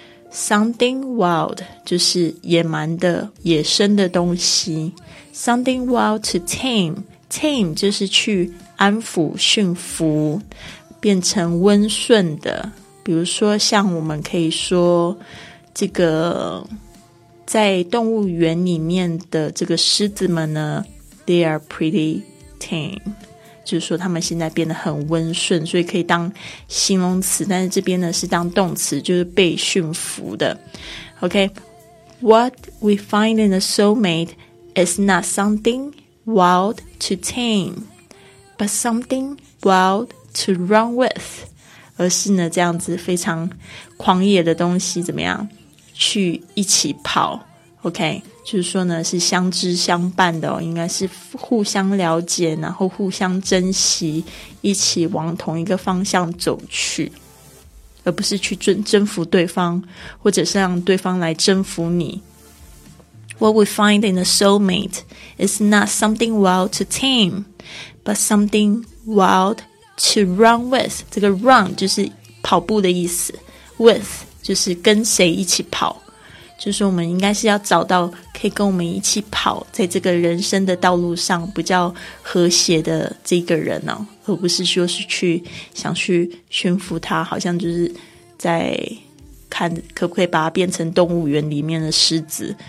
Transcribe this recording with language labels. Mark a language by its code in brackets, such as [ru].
[en] something wild [zh] 就是野蛮的野生的东西， [en] something wild to tame, [zh] tame 就是去安抚驯服变成温顺的，比如说像我们可以说这个在动物园里面的这个狮子们呢， [en] They are pretty tame, [zh] 就是说他们现在变得很温顺，所以可以当形容词，但是这边呢是当动词，就是被驯服的。 [en] OK, What we find in a soulmate is not something wild to tame, but something wild to run with, [zh] 而是呢这样子非常狂野的东西怎么样去一起跑。 OK, 就是说呢是相知相伴的哦，应该是互相了解，然后互相珍惜，一起往同一个方向走去，而不是去征服对方，或者是让对方来征服你。 [en] What we find in a soulmate is not something wild to tame, but something wild to run with. [zh] 这个 run 就是跑步的意思， with 就是跟谁一起跑，就是我们应该是要找到可以跟我们一起跑在这个人生的道路上比较和谐的这个人哦，而不是说是去想去驯服他，好像就是在看可不可以把它变成动物园里面的狮子。